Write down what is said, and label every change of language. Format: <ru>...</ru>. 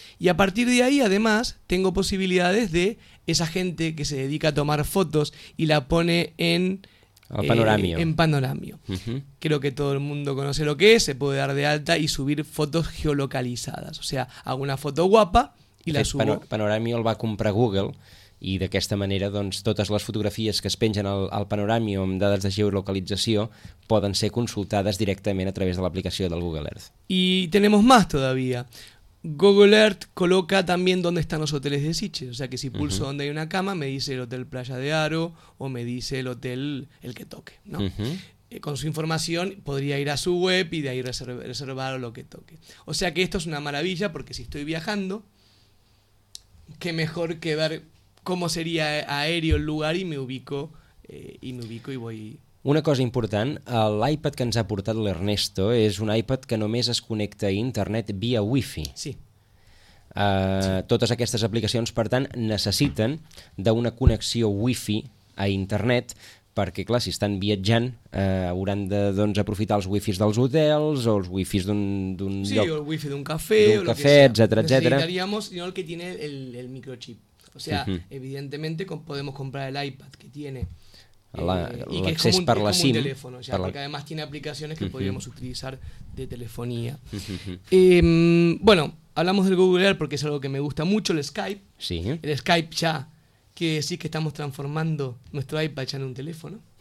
<es>Y a partir de ahí, además, tengo posibilidades de esa gente que se dedica a tomar fotos y la pone en... En panoramio. Creo que todo el mundo conoce lo que es, se puede dar de alta y subir fotos geolocalizadas. O sea, hago una foto guapa y la subo.</es> <ca>Panoramio el va comprar Google i d'aquesta manera doncs, totes les fotografies que es pengen al panoramio amb dades de geolocalització poden ser consultades directament a través de l'aplicació del Google Earth.</ca> <es>Y tenemos más todavía. Google Earth coloca también dónde están los hoteles de Sitges, o sea que si pulso donde hay una cama, me dice el hotel Playa de Aro o me dice el hotel el que toque, ¿no? Con su información podría ir a su web y de ahí reservar lo que toque. O sea que esto es una maravilla porque si estoy viajando, qué mejor que ver cómo sería aéreo el lugar y me ubico y voy...</es> <ca>Una cosa important, l'iPad que ens ha portat l'Ernesto és un iPad que només es connecta a internet via Wi-Fi. Sí. Totes aquestes aplicacions, per tant, necessiten d'una connexió Wi-Fi a internet, perquè, clar, si estan viatjant, hauran de doncs, aprofitar els Wi-Fis dels hotels o els Wi-Fis d'un sí, lloc... Sí, o el Wi-Fi d'un cafè... D'un cafè, etcètera, etcètera.</ca> <es>Necessitaríamos, sinó el que tiene el microchip. O sea, evidentemente podemos comprar el iPad que tiene...</es> <ca>L'accés per la SIM, perquè a més té aplicacions que podríem utilitzar de telefonia.</ca> <es>Bueno, hablamos del Google Earth porque es algo que me gusta mucho, el Skype. Sí. El Skype ya quiere decir que estamos transformando nuestro iPad ya en un teléfono.</es>